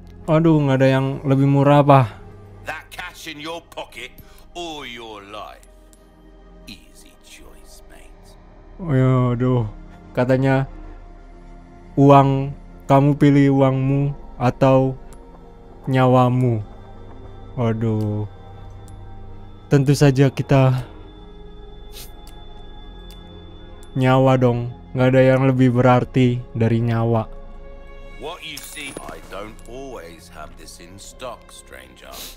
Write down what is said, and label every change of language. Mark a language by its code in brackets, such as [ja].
[id] Aduh, nggak ada yang lebih murah apa? [en] That cash in your pocket or your life. Easy choice, mate. [id] Aduh, katanya uang, kamu pilih uangmu atau nyawamu. Aduh, tentu saja kita nyawa dong. Nggak ada yang lebih berarti dari nyawa. [en] What you see, I don't always have this in stock, stranger.